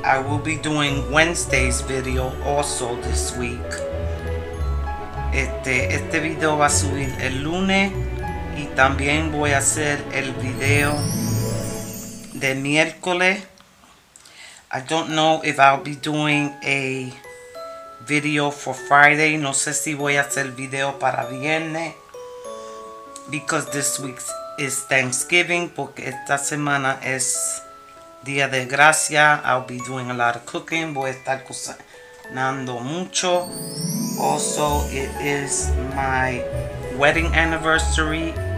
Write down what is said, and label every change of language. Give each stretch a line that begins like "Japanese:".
English: I will be doing Wednesday's video also this week.
Spanish: Este video va a subir el lunes y también voy a hacer el video de miércoles.
English: I don't know if I'll be doing a video for Friday.
Spanish: No sé si voy a hacer video para viernes.
English: Because this week is Thanksgiving.
Spanish: Porque esta semana es Día de Gracia.
English: I'll be doing a lot of cooking.
Spanish: Voy a estar cocinando mucho.
English: Also, it is my wedding anniversary.